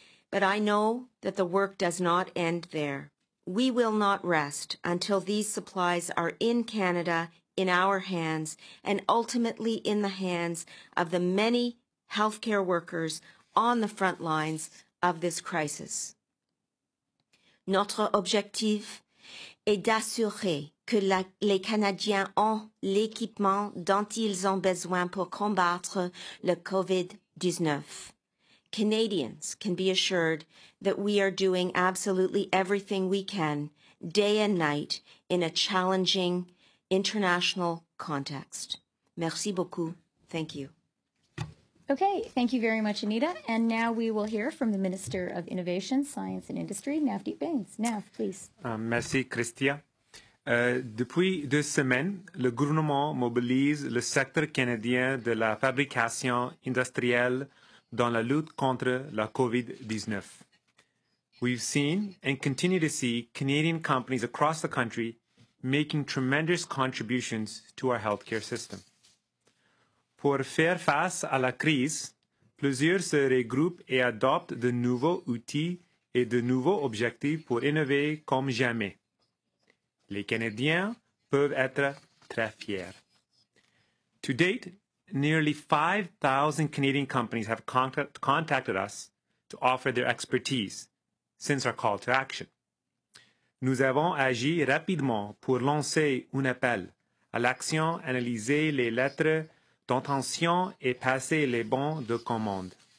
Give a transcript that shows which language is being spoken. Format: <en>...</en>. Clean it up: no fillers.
<en>But I know that the work does not end there. We will not rest until these supplies are in Canada, in our hands, and ultimately in the hands of the many healthcare workers on the front lines of this crisis.</en> <fr>Notre objectif est d'assurer que les Canadiens ont l'équipement dont ils ont besoin pour combattre le COVID-19.</fr> <en>Canadians can be assured that we are doing absolutely everything we can, day and night, in a challenging international context.</en> <fr>Merci beaucoup.</fr> <en>Thank you. Okay, thank you very much, Anita. And now we will hear from the Minister of Innovation, Science and Industry, Navdeep Bains. Nav, please.</en> <fr>Merci, Chrystia. Depuis deux semaines, le gouvernement mobilise le secteur canadien de la fabrication industrielle dans la lutte contre la COVID-19.</fr> <en>We've seen and continue to see Canadian companies across the country making tremendous contributions to our healthcare system.</en> <fr>Pour faire face à la crise, plusieurs se regroupent et adoptent de nouveaux outils et de nouveaux objectifs pour innover comme jamais. Les Canadiens peuvent être très fiers.</fr> <en>To date, nearly 5,000 Canadian companies have contacted us to offer their expertise since our call to action.</en> <fr>Nous avons agi rapidement pour lancer un appel à l'action, analyser les lettres d'intention et passer les bons de commande.</fr>